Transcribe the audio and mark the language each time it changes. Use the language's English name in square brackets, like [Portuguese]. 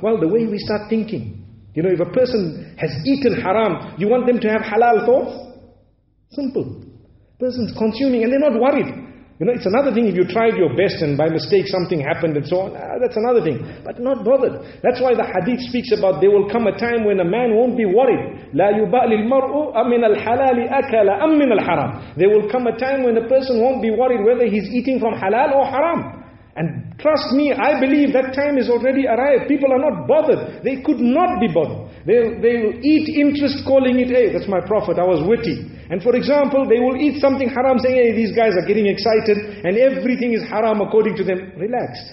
[English] Well, the way we start thinking, you know, if a person has eaten haram, you want them to have halal thoughts? Simple. Person's consuming and they're not worried. You know, it's another thing if you tried your best and by mistake something happened and so on. That's another thing. But not bothered. That's why the hadith speaks about there will come a time when a man won't be worried. [Arabic] لا يبالي المرء أمن الحلال أكل أم من الحرام. [English] There will come a time when a person won't be worried whether he's eating from halal or haram. And trust me, I believe that time is already arrived. People are not bothered. They could not be bothered. They will eat interest calling it, hey, that's my prophet, I was witty. And for example, they will eat something haram saying, hey, these guys are getting excited and everything is haram according to them. Relax.